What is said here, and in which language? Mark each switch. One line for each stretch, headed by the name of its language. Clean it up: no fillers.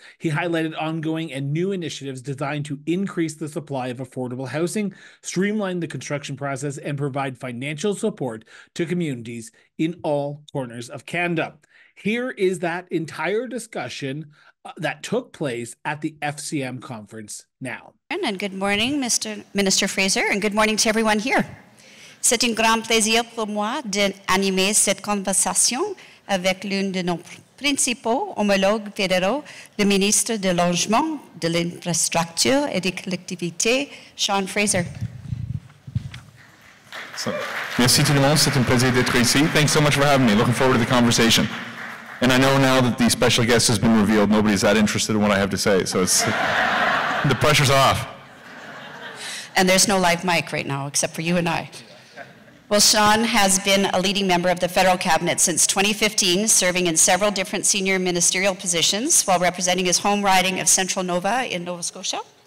English: He highlighted ongoing and new initiatives designed to increase the supply of affordable housing, streamline the construction process, and provide financial support to communities in all corners of Canada. Here is that entire discussion that took place at the FCM conference now. And good morning, Mr. Minister Fraser, and good morning to everyone here.
French: C'est un grand plaisir pour moi d'animer cette conversation avec l'un de nos principaux homologues fédéraux, le ministre de Logement, de l'Infrastructure et des Collectivités, Sean Fraser. So, merci tout le monde, c'est un plaisir d'être ici.
English: Thanks so much for having me. Looking forward to the conversation. And I know now that the special guest has been revealed, nobody's that interested in what I have to say, so it's the pressure's off. And there's no live mic right now, except for you and I. Well, Sean has been a leading member of the federal cabinet since 2015, serving in several different senior ministerial positions while representing his home riding of Central Nova in Nova Scotia.